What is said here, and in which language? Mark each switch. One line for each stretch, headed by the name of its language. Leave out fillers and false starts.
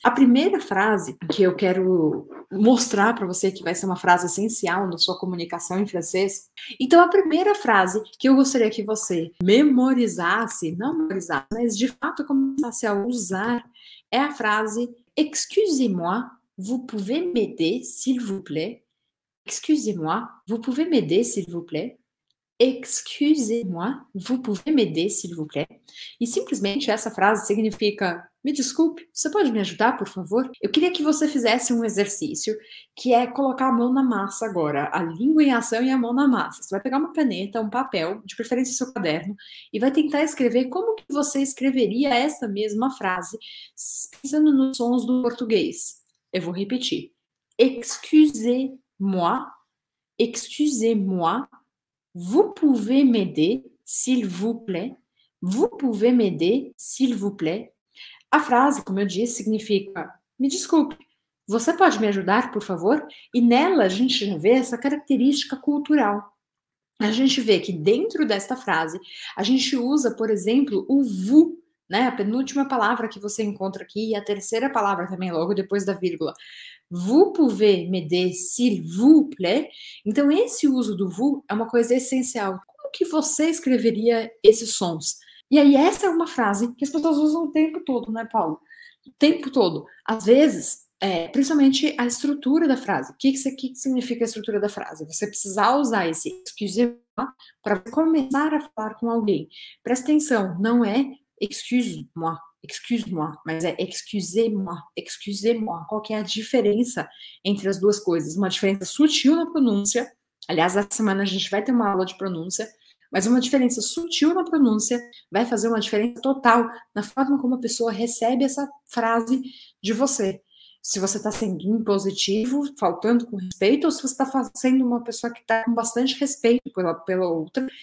Portuguese: A primeira frase que eu quero mostrar para você, que vai ser uma frase essencial na sua comunicação em francês. Então, a primeira frase que eu gostaria que você memorizasse, não memorizasse, mas de fato começasse a usar, é a frase
French: "Excusez-moi, vous pouvez m'aider, s'il vous plaît? Excusez-moi, vous pouvez m'aider, s'il vous plaît? Excusez-moi, vous pouvez m'aider, s'il vous plaît?"
Portuguese: E simplesmente essa frase significa: me desculpe, você pode me ajudar, por favor? Eu queria que você fizesse um exercício, que é colocar a mão na massa agora, a língua em ação e a mão na massa. Você vai pegar uma caneta, um papel, de preferência seu caderno, e vai tentar escrever como que você escreveria essa mesma frase, pensando nos sons do português. Eu vou repetir:
French: excusez-moi, excusez-moi, vous pouvez m'aider, s'il vous plaît? Vous pouvez m'aider, s'il vous plaît?
Portuguese: A frase, como eu disse, significa: me desculpe, você pode me ajudar, por favor? E nela a gente já vê essa característica cultural. A gente vê que dentro desta frase, a gente usa, por exemplo, o vous, né? A penúltima palavra que você encontra aqui e a terceira palavra também, logo depois da vírgula.
French: Vous pouvez m'aider, s'il vous plaît?
Portuguese: Então, esse uso do vous é uma coisa essencial. Como que você escreveria esses sons? E aí, essa é uma frase que as pessoas usam o tempo todo, né, Paulo? O tempo todo. Às vezes, principalmente a estrutura da frase. O que, que significa a estrutura da frase? Você precisar usar esse excusez-moi para começar a falar com alguém. Presta atenção, não é excuse-moi.
French: Excuse-moi,
Portuguese: mas é
French: excusez-moi, excusez-moi.
Portuguese: Qual que é a diferença entre as duas coisas? Uma diferença sutil na pronúncia. Aliás, essa semana a gente vai ter uma aula de pronúncia. Mas uma diferença sutil na pronúncia vai fazer uma diferença total na forma como a pessoa recebe essa frase de você. Se você está sendo impositivo, faltando com respeito, ou se você está sendo uma pessoa que está com bastante respeito pela outra.